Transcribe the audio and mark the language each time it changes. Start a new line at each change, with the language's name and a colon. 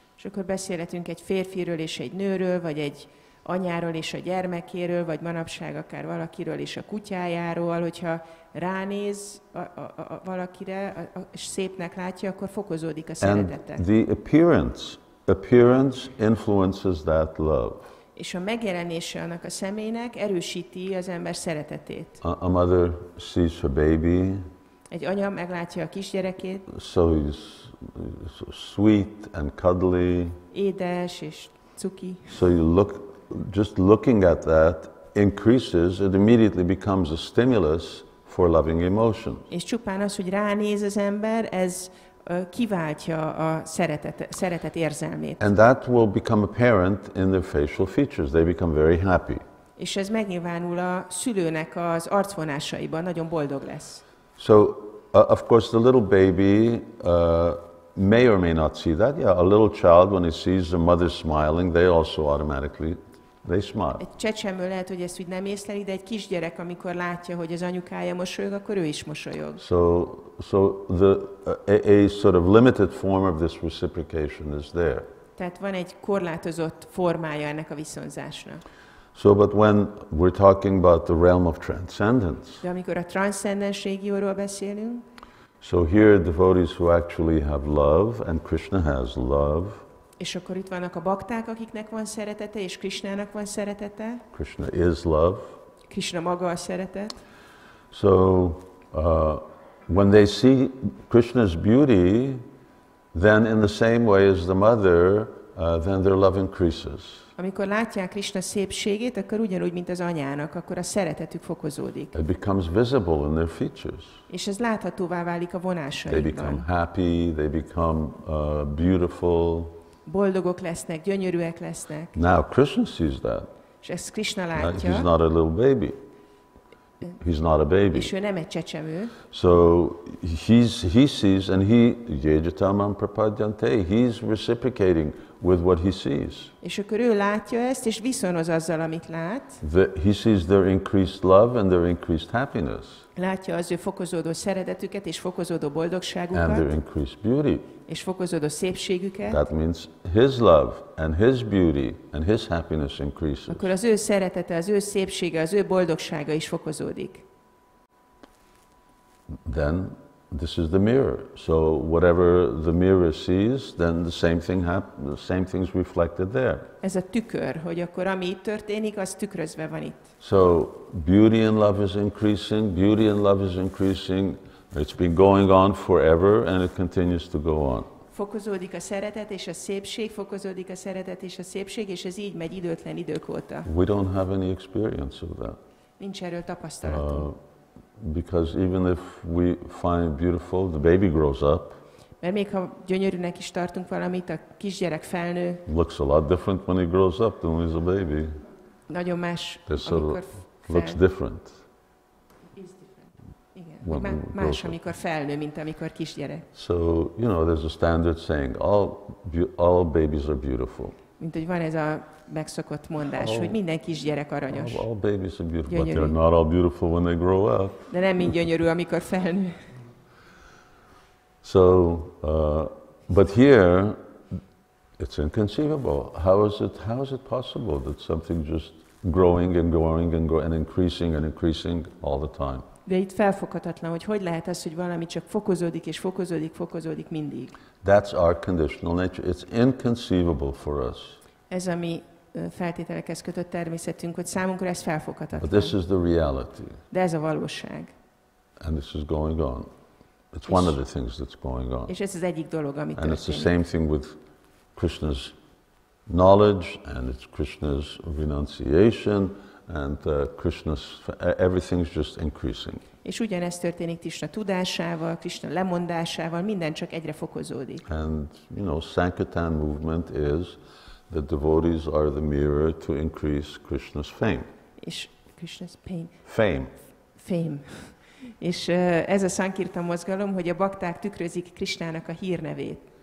Hungarian: És akkor beszélhetünk egy férfiről és egy nőről, vagy egy anyáról és a gyermekéről, vagy manapság akár valakiről és a kutyájáról, hogyha ránéz a valakire, és szépnek látja, akkor fokozódik a szeretete.
English: And the appearance influences that love.
Hungarian: És a megjelenése annak a személynek erősíti az ember szeretetét.
English: A mother sees her baby.
Hungarian: Egy anya meglátja a kisgyerekét.
English: So he's so sweet and cuddly.
Hungarian: Édes és cuki.
English: So you look, just looking at that increases, it immediately becomes a stimulus for loving emotion.
Hungarian: És csupán az, hogy ránéz az ember, ez kiváltja a szeretet érzelmét.
English: And that will become apparent in their facial features. They become very happy.
Hungarian: És ez megnyilvánul a szülőnek az arcvonásaiban, nagyon boldog lesz.
English: So, of course, the little baby may or may not see that. Yeah, a little child, when he sees the mother smiling, they also automatically, they smile.
Hungarian: Egy csecsemő lehet, hogy ezt úgy nem észleli, de egy kisgyerek, amikor látja, hogy az anyukája mosolyog, akkor ő is mosolyog.
English: So the sort of limited form of this reciprocation is there.
Hungarian: Tehát van egy korlátozott formája ennek a viszonzásnak.
English: So, but when we're talking about the realm of transcendence.
Hungarian: De amikor a transzcendens régióról beszélünk.
English: So here devotees who actually have love, and Krishna has love.
Hungarian: És akkor itt vannak a bakták, akiknek van szeretete, és Krishnának van szeretete.
English: Krishna is love.
Hungarian: Krishna maga a szeretet.
English: So, when they see Krishna's beauty, then in the same way as the mother, then their love increases.
Hungarian: Amikor látják Krishna szépségét, akkor ugyanúgy, mint az anyának, akkor a szeretetük fokozódik.
English: It becomes visible in their features.
Hungarian: És ez láthatóvá válik a vonásaikban.
English: They become happy, they become beautiful.
Hungarian: Boldogok lesznek, gyönyörűek lesznek.
English: Now Krishna sees that.
Hungarian: És ezt Krishna látja.
English: He's not a little baby. He's not a baby.
Hungarian: És ő nem egy csecsemő.
English: So he sees and he
Sanskrit: yajatamam prapadyante,
English: he's reciprocating with what he sees.
Hungarian: És akkor ő látja ezt, és viszonoz azzal, amit lát.
English: He sees their increased love and their increased happiness.
Hungarian: Látja az ő fokozódó szeretetüket és fokozódó boldogságukat.
English: And their increased beauty.
Hungarian: És fokozódó szépségüket.
English: That means his love and his beauty and his happiness increases.
Hungarian: Akkor az ő szeretete, az ő szépsége, az ő boldogsága is fokozódik.
English: Then this is the mirror. So whatever the mirror sees, then the same thing happens. The same thing's reflected there.
Hungarian: Ez a tükör, hogy akkor ami itt történik, az tükrözve van itt.
English: So beauty and love is increasing. Beauty and love is increasing. It's been going on forever, and it continues to go on.
Hungarian: Fokozódik a szeretet és a szépség. Fokozódik a szeretet és a szépség, és ez így megy időtlen idők óta.
English: We don't have any experience of that.
Hungarian: Nincs erről tapasztalatunk.
English: Because even if we find it beautiful, the baby grows up.
Hungarian: Mert még ha gyönyörűnek is tartunk valamit, a kisgyerek felnő.
English: Looks a lot different when he grows up than when he's a baby.
Hungarian: Nagyon más, amikor felnő.
English: Looks different. Is different.
Hungarian: Igen. Más, amikor felnő, mint amikor kisgyerek.
English: So, you know, there's a standard saying, all babies are beautiful.
Hungarian: Mint hogy van ez a megszokott mondás, hogy minden kisgyerek aranyos.
English: All babies are beautiful,
Hungarian: gyönyörű.
English: But they're not all beautiful when they grow up.
Hungarian: De nem mind gyönyörű, amikor felnő.
English: So, but here, it's inconceivable. How is it possible that something just growing and growing and growing and increasing all the time?
Hungarian: De itt felfoghatatlan, hogy lehet az, hogy valami csak fokozódik és fokozódik, fokozódik mindig.
English: That's our conditional nature. It's inconceivable for us.
Hungarian: Ez a mi feltételekhez kötött természetünk, hogy számunkra ez felfoghatatlan.
English: But this is the reality.
Hungarian: De ez a valóság.
English: And this is going on. It's one of the things that's going on.
Hungarian: És ez az egyik dolog, ami történik.
English: And it's the same thing with Krishna's knowledge and it's Krishna's renunciation and Krishna's everything's just increasing.
Hungarian: És ugyanez történik Krishna tudásával, Krishna lemondásával, minden csak egyre fokozódik.
English: And you know, Sankirtan movement is that devotees are the mirror to increase Krishna's fame.
Hungarian: És
English: Krishna's pain. Fame. Fame.
Hungarian: És ez a Sankirtan mozgalom, hogy a bakták tükrözik Krishnának a hírnevét.